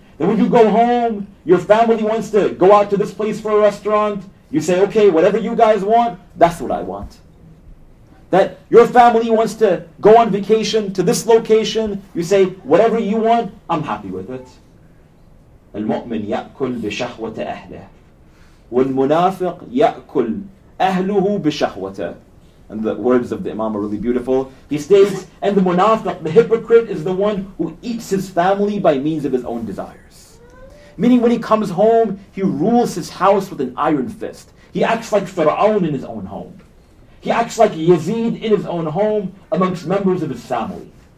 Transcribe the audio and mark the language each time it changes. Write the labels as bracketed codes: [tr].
[en] That when you go home, your family wants to go out to this place for a restaurant, you say, okay, whatever you guys want, that's what I want. That your family wants to go on vacation to this location, you say, whatever you want, I'm happy with it. [ar] المؤمن يأكل بشهوة أهله والمنافق يأكل أهله بشهوة. [en] And the words of the Imam are really beautiful. He states, and the munafiq, the hypocrite, is the one who eats his family by means of his own desires. Meaning when he comes home, he rules his house with an iron fist. He acts like Fir'aun in his own home. He acts like Yazid in his own home amongst members of his family.